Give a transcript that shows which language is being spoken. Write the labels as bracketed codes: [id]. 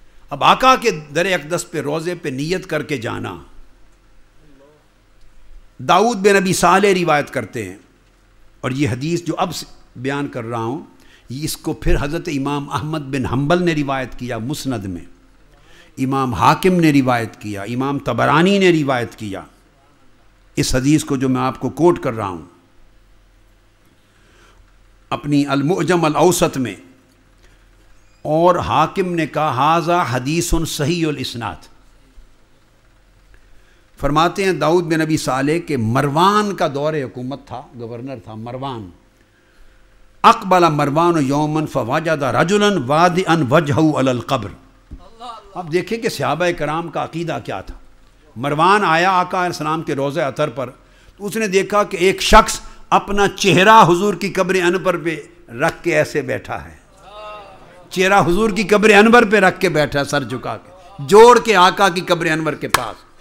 [ur] اب آقا کے در اقدس پہ روزے پہ نیت کر کے جانا, داؤد بن ابی صالح روایت کرتے ہیں, اور یہ حدیث جو اب بیان کر رہا ہوں اس کو پھر حضرت امام احمد بن حنبل نے روایت کیا مسند میں, امام حاکم نے روایت کیا, امام طبرانی نے روایت کیا اس حدیث کو جو میں آپ کو کوٹ کر رہا ہوں اپنی المعجم الاوسط میں. اور حاکم نے کہا [ar] ھذا حدیث صحیح الاسناد. [ur] فرماتے ہیں داؤد بن ابی صالح کے مروان کا دور حکومت تھا, گورنر تھا مروان. [ar] اقبل مروان یومن فواجد رجلا وادعا وجهه علی القبر. [ur] اب دیکھیں کہ صحابہ کرام کا عقیدہ کیا تھا. مروان آیا آقا علیہ السلام کے روضہ اطہر پر, تو اس نے دیکھا کہ ایک شخص اپنا چہرہ حضور کی قبر انور پہ رکھ کے ایسے بیٹھا ہے, چہرہ حضور کی قبر انور پہ رکھ کے بیٹھا ہے, سر جھکا کے, جوڑ کے آقا کی قبر انور کے پاس.